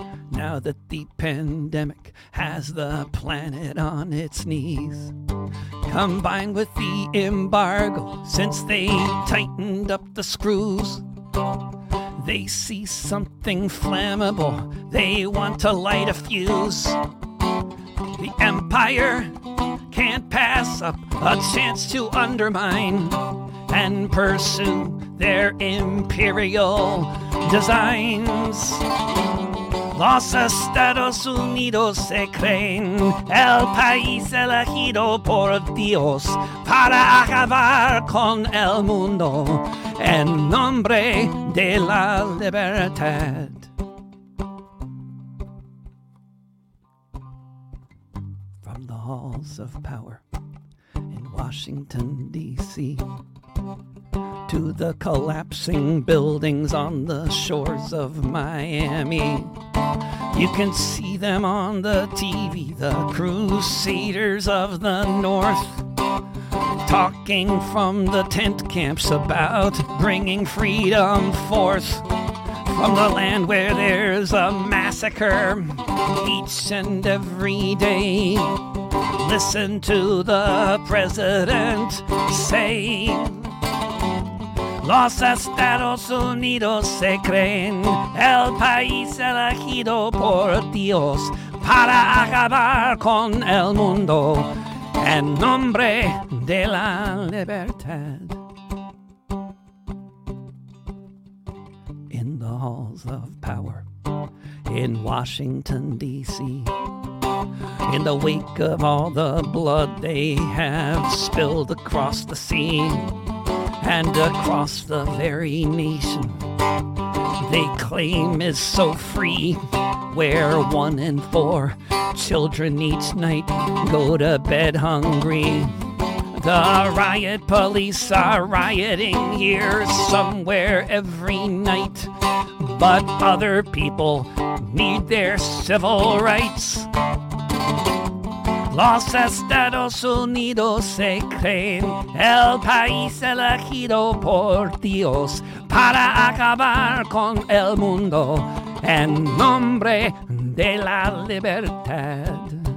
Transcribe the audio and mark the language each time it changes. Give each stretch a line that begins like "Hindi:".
English: Now that the pandemic has the planet on its knees, combined with the embargo since they tightened up the screws, they see something flammable, they want to light a fuse. The empire can't pass up a chance to undermine and pursue their imperial designs.
Spanish: Los Estados Unidos se creen el país elegido por Dios para acabar con el mundo en nombre de la libertad.
English: From the halls of power in Washington, D.C., to the collapsing buildings on the shores of Miami, you can see them on the TV, the Crusaders of the North, talking from the tent camps about bringing freedom forth. From the land where there's a massacre each and every day, listen to the president say,
Spanish: Los Estados Unidos se creen el país elegido por Dios para acabar con el mundo en nombre de la libertad.
English: In the halls of power in Washington, D.C., in the wake of all the blood they have spilled across the sea and across the very nation they claim is so free, where one in four children each night go to bed hungry. The riot police are rioting here somewhere every night, but other people need their civil rights.
Spanish: Los Estados Unidos se creen el país elegido por Dios para acabar con el mundo en nombre de la libertad.